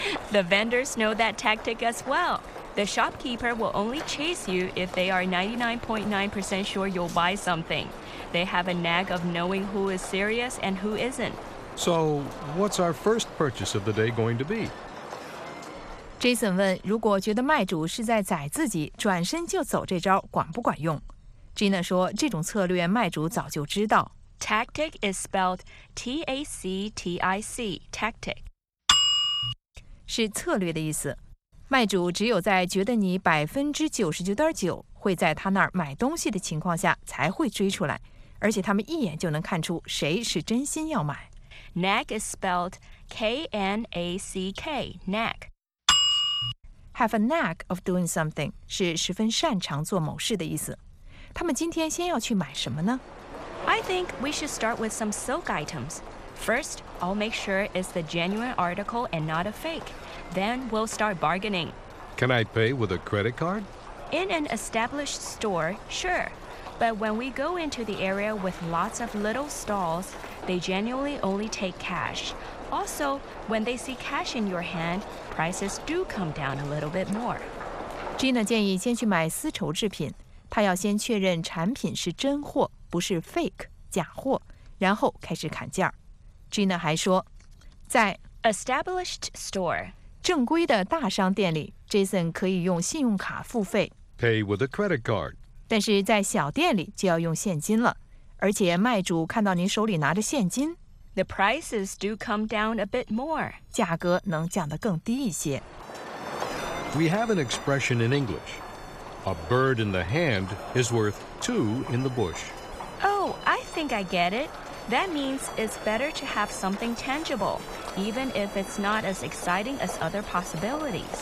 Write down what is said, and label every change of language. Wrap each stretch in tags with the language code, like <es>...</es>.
<en>The vendors know that tactic as well. The shopkeeper will only chase you if they are 99.9% sure you'll buy something. They have a knack of knowing who is serious and who isn't. So, what's our first purchase of the day going to be?</en> <zh>Jason 问，如果觉得卖主是在宰自己，转身就走这招管不管用？ Gina 说，这种策略卖主早就知道。</zh> <en>Tactic is spelled T-A-C-T-I-C, tactic.</en> <zh>是策略的意思。卖主只有在觉得你 99.9% 会在他那儿买东西的情况下才会追出来，而且他们一眼就能看出谁是真心要买。</zh> <en>Knack is spelled K-N-A-C-K, knack. Have a knack of doing something</en> <zh>是十分擅长做某事的意思。他们今天先要去买什么呢？</zh> <en>I think we should start with some silk items. First, I'll make sure it's the genuine article and not a fake. Then we'll start bargaining. Can I pay with a credit card? In an established store, sure. But when we go into the area with lots of little stalls, they genuinely only take cash. Also, when they see cash in your hand, prices do come down a little bit more.</en> <zh>Gina 建议先去买丝绸制品，她要先确认产品是真货，不是 fake 假货，然后开始砍价。 Gina 还说，在</zh> <en>established store</en> <zh>正规的大商店里 ，Jason 可以用信用卡付费</zh> <en>，pay with a credit card。</en> <zh>但是在小店里就要用现金了，而且卖主看到您手里拿着现金。</zh> <en>The prices do come down a bit more.</en> <zh>价格能降得更低一些。</zh> <en>We have an expression in English. A bird in the hand is worth two in the bush. Oh, I think I get it. That means it's better to have something tangible, even if it's not as exciting as other possibilities.</en>